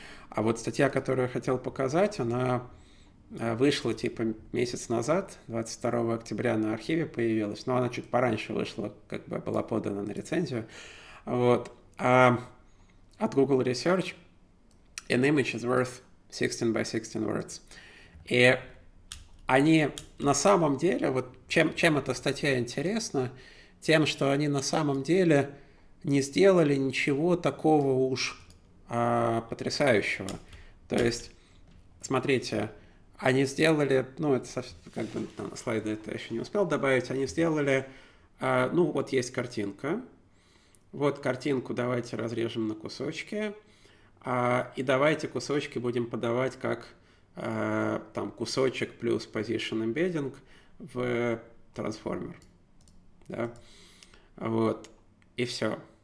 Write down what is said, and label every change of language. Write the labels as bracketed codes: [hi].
[ru] А вот статья, которую я хотел показать, она вышла типа месяц назад, 22 октября на архиве появилась, но она чуть пораньше вышла, как бы была подана на рецензию. Вот. От [en] Google Research an image is worth 16 by 16 words. [ru] И они на самом деле, вот чем эта статья интересна, тем, что они на самом деле не сделали ничего такого уж потрясающего. То есть, смотрите, они сделали, ну, это совсем, как бы на слайды это я еще не успел добавить, они сделали, ну, вот есть картинка, вот картинку давайте разрежем на кусочки, и давайте кусочки будем подавать как там кусочек плюс position embedding в трансформер, да, вот, и все.